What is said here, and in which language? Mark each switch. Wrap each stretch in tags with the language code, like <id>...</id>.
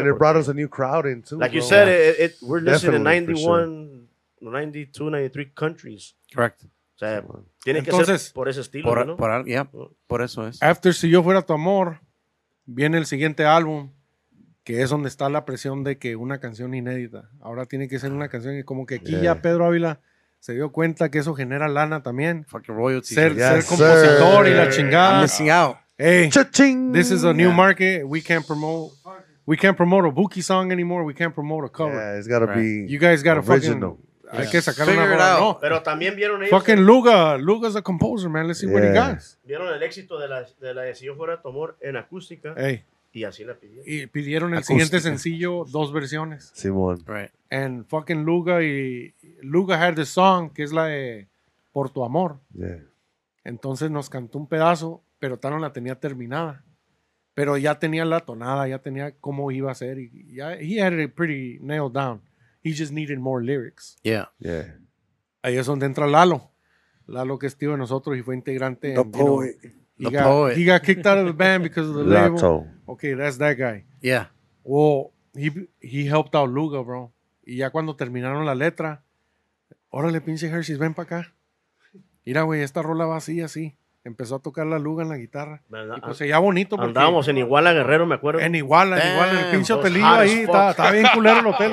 <en>And it brought us a new crowd in too. Like you said, it we're listening to 91, 92, 93 countries. Correct.</en> <es>O sea, tiene que ser por ese estilo, por, ¿no? Por eso es.</es> <en>After</en> <es>Si Yo Fuera Tu Amor, viene el siguiente álbum, que es donde está la presión de que una canción inédita. Ahora tiene que ser una canción y como que aquí ya Pedro Ávila... Se dio cuenta que eso genera lana también.</es> <en>Fucking royalty.</en> <es>Ser compositor y la chingada.</es> <en>I'm missing out. Hey, cha-ching. This is a new market. We can't promote. we can't promote a Buki song anymore. We can't promote a cover. Yeah, it's got to be you guys got to fucking yeah. Que sacar figure una it bola. Out. No. Pero también vieron ellos fucking Luga. Luga's a composer, man. Let's see what he got.</en> <es>Vieron el éxito de la Si Yo Fuera Tu Amor en acústica.</es> <en>Hey.</en> <es>Y así la pidieron. Y pidieron el siguiente sencillo, dos versiones. Simón.</es> <en>Right. And fucking Luga y Luga had the song,</en> <es>que es la de</es> <en>Por Tu Amor. Yeah.</en> <es>Entonces nos cantó un pedazo, pero Tano la tenía terminada. Pero ya tenía la tonada, ya tenía cómo iba a ser. Y ya,</es> <en>he had it pretty nailed down. He just needed more lyrics. Yeah. Yeah.</en> <es>Ahí es donde entra Lalo. Lalo que estuvo en nosotros y fue integrante.</es> <en>The poet. You know, He got kicked out of the band because of the label. Lato. Okay, that's that guy. Yeah. Well, he helped out Luga, bro.</en> <es>Y ya cuando terminaron la letra, órale, pinche Hershey's, ven para acá. Mira, güey, esta rola va así, así. Empezó a tocar la Luga en la guitarra. Y pues ya bonito. Porque, andábamos en Iguala, Guerrero, me acuerdo. En Iguala, en el pinche hotelillo ahí. Está bien culero el hotel.</es>